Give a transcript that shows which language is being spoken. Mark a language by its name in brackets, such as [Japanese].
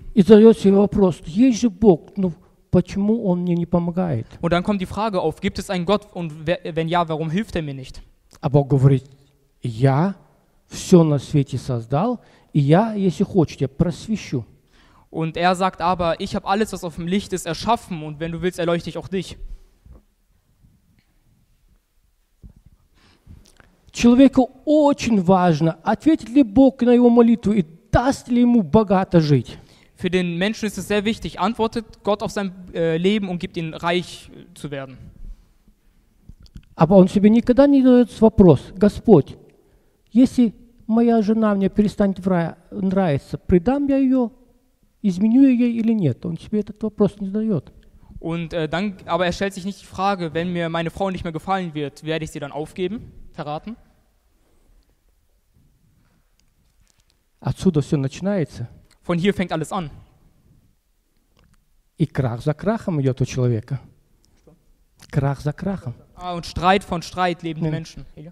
[Russian] И задает себе вопрос, есть же Бог, ну почему он мне не помогает? [German] Und dann kommt die Frage auf, gibt es einen Gott und wenn ja, warum hilft er mir nicht? [Russian] А Бог говорит, я все на свете создал, и я, если хочешь, тебя просвещу. [German] Und er sagt aber, ich habe alles, was auf dem Licht ist, erschaffen und wenn du willst, erleuchte ich auch dich. [Russian] Человеку очень важно, ответит ли Бог на его молитву и даст ли ему богато жить. [German] Für den Menschen ist es sehr wichtig, antwortet Gott auf sein Leben und gibt ihm reich zu werden. Aber [Russian] он себе никогда не задает вопрос, Господь, если моя жена мне перестанет нравиться, предам я ее, изменю я ей или нет? Он себе этот вопрос не задает. [German] Und dann, aber er stellt sich nicht die Frage, wenn mir meine Frau nicht mehr gefallen wird, werde ich sie dann aufgeben, verraten? [Russian] Отсюда все начинается. [German] Von hier fängt alles an. [Russian] И крах за крахом идет у человека. Крах за крахом. [German] Ah, und Streit von Streit leben die Menschen.